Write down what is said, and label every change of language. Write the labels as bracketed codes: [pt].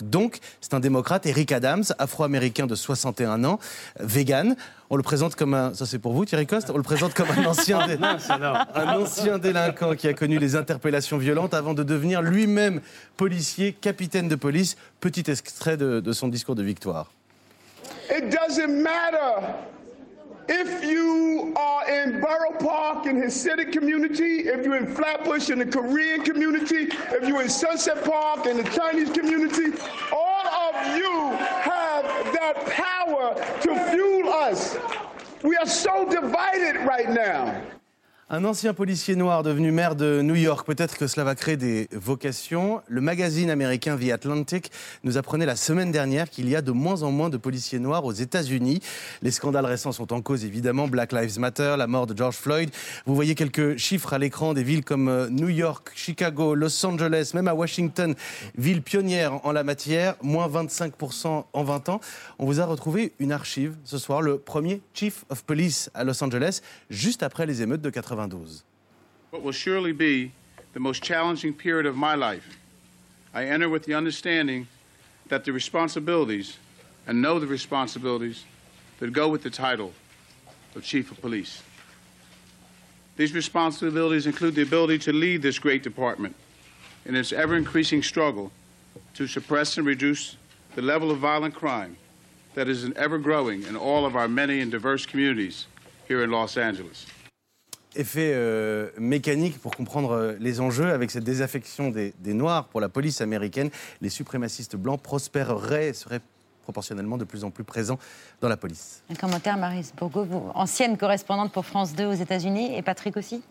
[fr] Donc, c'est un démocrate, Eric Adams, afro-américain de 61 ans, vegan. On le présente comme un... Ça, c'est pour vous, Thierry Coste. On le présente comme un ancien délinquant qui a connu les interpellations violentes avant de devenir lui-même policier, capitaine de police. Petit extrait de son discours de victoire. [en] It doesn't matter if you are in Borough Park in Hasidic community, if you're in Flatbush in the Korean community, if you're in Sunset Park in the Chinese community, all of you have that power to fuel us. We are so divided right now. [fr] Un ancien policier noir devenu maire de New York, peut-être que cela va créer des vocations. Le magazine américain The Atlantic nous apprenait la semaine dernière qu'il y a de moins en moins de policiers noirs aux États-Unis. Les scandales récents sont en cause, évidemment. Black Lives Matter, la mort de George Floyd. Vous voyez quelques chiffres à l'écran des villes comme New York, Chicago, Los Angeles, même à Washington, ville pionnière en la matière, moins 25% en 20 ans. On vous a retrouvé une archive ce soir, le premier chief of police à Los Angeles, juste après les émeutes de 92. [en] What will surely be the most challenging period of my life, I enter with the understanding that the responsibilities, and know the responsibilities, that go with the title of Chief of Police. These responsibilities include the ability to lead this great department in its ever-increasing struggle to suppress and reduce the level of violent crime that is ever-growing in all of our many and diverse communities here in Los Angeles. [fr] Effet mécanique pour comprendre les enjeux avec cette désaffection des Noirs pour la police américaine. Les suprémacistes blancs prospéreraient, seraient proportionnellement de plus en plus présents dans la police. Un commentaire, Maryse Burgot, vous, ancienne correspondante pour France 2 aux États-Unis, et Patrick aussi.